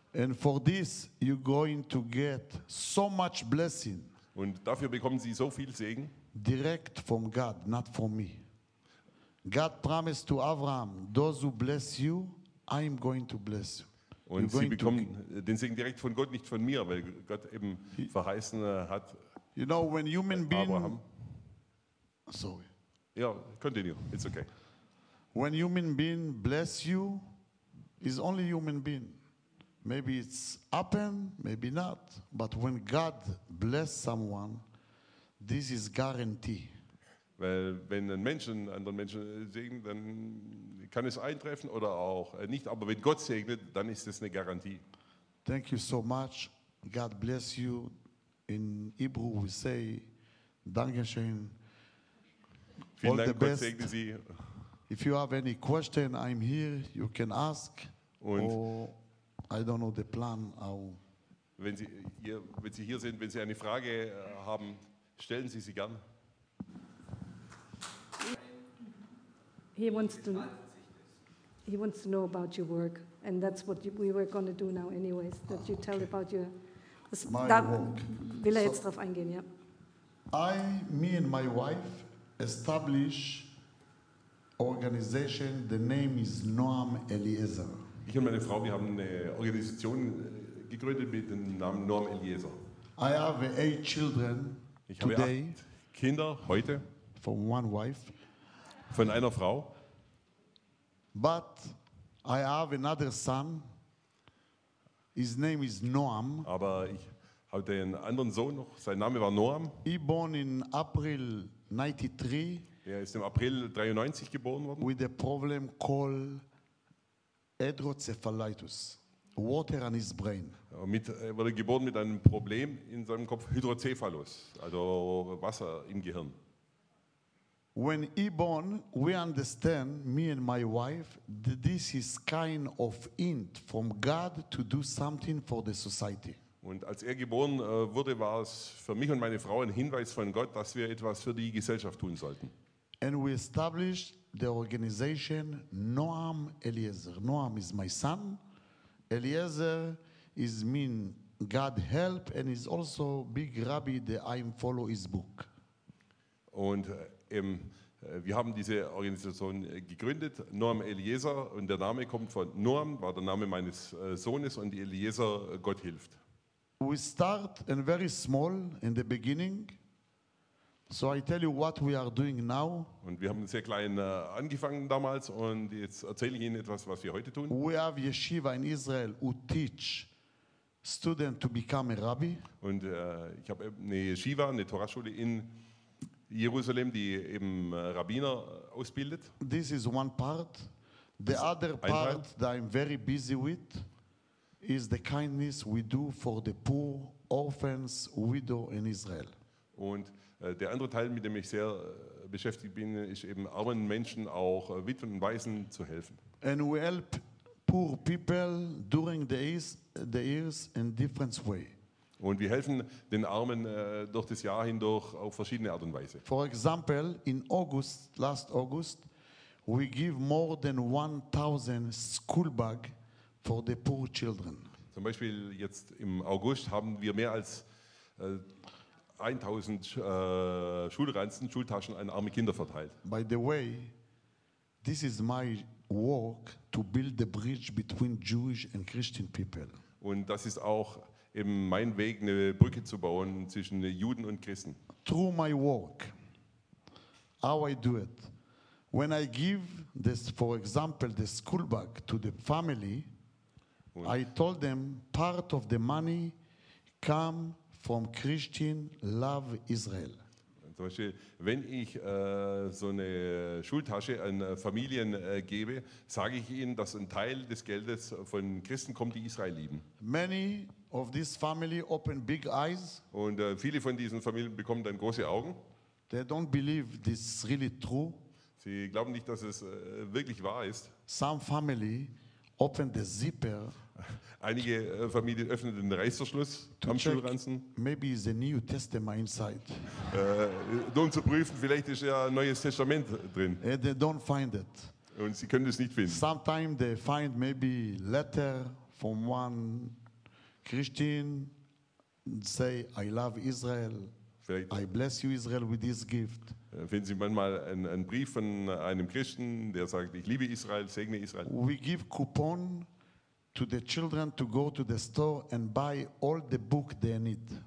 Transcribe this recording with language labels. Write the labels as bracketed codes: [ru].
[en] And for this, you're going to get so much blessing. [de] Und dafür bekommen Sie so viel Segen. [en] Direct from God, not from me. God promised to Abraham, those who bless you, I'm going to bless you. [de] Und [en] you're [de] sie bekommen den Segen direkt von Gott, nicht von mir, weil Gott eben verheißen hat. [en] You know, when human being, Abraham. Sorry. Yeah, continue. It's okay. When human being bless you, is only human being. Maybe it's happen, maybe not. But when God bless someone, this is guarantee. [de] Weil wenn ein Mensch einen anderen Menschen segnet, dann kann es eintreffen oder auch nicht. Aber wenn Gott segnet, dann ist es eine Garantie. [en] Thank you so much. God bless you. In Hebrew we say, [de] Dankeschön. Vielen Dank, Gott segne Sie. [en] If you have any question, I'm here. You can ask. [de] Und [en] I don't know the plan. How. [de] Wenn Sie hier sind, wenn Sie eine Frage haben, stellen Sie sie gern. [en] He wants to know about your work, and that's what we were going to do now anyways, that you tell about your... My work. [de] Jetzt drauf eingehen, ja. [en] Me and my wife establish organization, the name is Noam Eliezer. [de] Ich und meine Frau, wir haben eine Organisation gegründet mit dem Namen Noam Eliezer. [en] I have 8 children today. [de] Ich habe 8 Kinder heute. [en] From one wife. [de] Von einer Frau. [en] But I have another son. His name is Noam. [de] Aber ich habe den anderen Sohn noch. Sein Name war Noam. [en] He born in April 93. [de] Er ist im April 93 geboren worden. [en] With a problem called hydrocephalitis. Water on his brain. [de] Er wurde geboren mit einem Problem in seinem Kopf. Hydrocephalus, also Wasser im Gehirn. [en] When he born, we understand, me and my wife, that this is kind of hint from God to do something for the society. [de] Und als geboren wurde, war es für mich und meine Frau ein Hinweis von Gott, dass wir etwas für die Gesellschaft tun sollten. [en] And we established the organization Noam Eliezer. Noam is my son. Eliezer is mean God help, and is also big rabbi that I follow his book. [de] Und wir haben diese Organisation gegründet, Noam Eliezer, und der Name kommt von Noam, war der Name meines Sohnes, und Eliezer, Gott hilft. [en] We start in very small in the beginning, so I tell you what we are doing now. [de] Und wir haben sehr klein angefangen damals, und jetzt erzähle ich Ihnen etwas, was wir heute tun. [en] We have yeshiva in Israel who teach students to become a rabbi. [de] Und ich habe eine Yeshiva, eine Torahschule in Jerusalem, die eben Rabbiner ausbildet. [en] This is one part. The other part that I'm very busy with is the kindness we do for the poor, orphans, widow in Israel. [de] Und der andere Teil, mit dem ich sehr beschäftigt bin, ist eben armen Menschen, auch Witwen und Waisen zu helfen. [en] And we help poor people during the years in different way. [de] Und wir helfen den Armen durch das Jahr hindurch auf verschiedene Art und Weise. [en] For example, in August, last August, we give more than 1,000 school bag for the poor children. [de] Zum Beispiel jetzt im August haben wir mehr als 1,000 Schulranzen, Schultaschen an arme Kinder verteilt. [en] By the way, this is my work to build the bridge between Jewish and Christian people. [de] Und das ist auch eben mein Weg, eine Brücke zu bauen zwischen Juden und Christen. [en] Through my work, how I do it. When I give this, for example, the school bag to the family, [de] und [en] I told them, part of the money come from Christian love Israel. [de] Zum Beispiel, wenn ich so eine Schultasche an Familien gebe, sage ich ihnen, dass ein Teil des Geldes von Christen kommt, die Israel lieben. [en] Many of this family open big eyes. [de] Und viele von diesen Familien bekommen dann große Augen. [en] They don't believe this is really true. [de] Sie glauben nicht, dass es wirklich wahr ist. [en] Some family open the zipper. [de] Einige Familien öffnen den Reißverschluss am Schulranzen. [en] Maybe the New Testament inside. [de] Nur um zu prüfen, vielleicht ist ja ein Neues Testament drin. [en] And they don't find it. [de] Und sie können es nicht finden. [en] Sometimes they find maybe letter from one Christian, say I love Israel. [de] Vielleicht, [en] I bless you, Israel, with this gift. [de] Finden Sie manchmal einen Brief von einem Christen, der sagt, ich liebe Israel, segne Israel. [en] We give coupon to the children to go to the store and buy all the book they need.